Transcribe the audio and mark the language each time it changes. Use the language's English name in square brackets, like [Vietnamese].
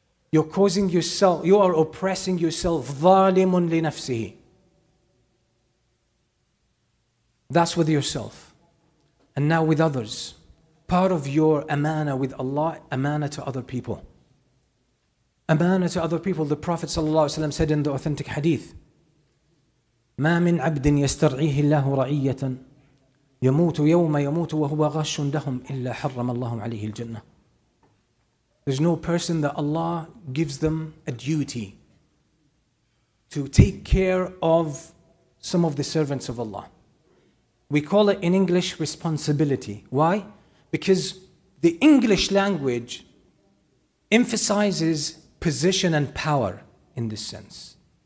[English] You're causing yourself, you are oppressing yourself. [Arabic] ظَالِمٌ لِنَفْسِهِ. [English] That's with yourself. And now with others. Part of your amana with Allah, amana to other people. Amana to other people. The Prophet ﷺ said in the authentic hadith, [Arabic] مَا مِنْ عَبْدٍ يَسْتَرْعِيهِ اللَّهُ رَعِيَّةً يَمُوتُ يَوْمَ يَمُوتُ وَهُوَ غَشٌ لَهُمْ إِلَّا حَرَّمَ اللَّهُمْ عَلَيْهِ الْجَنَّةِ. [English] There's no person that Allah gives them a duty to take care of some of the servants of Allah. We call it in English responsibility. Why? Because the English language emphasizes position and power in this sense.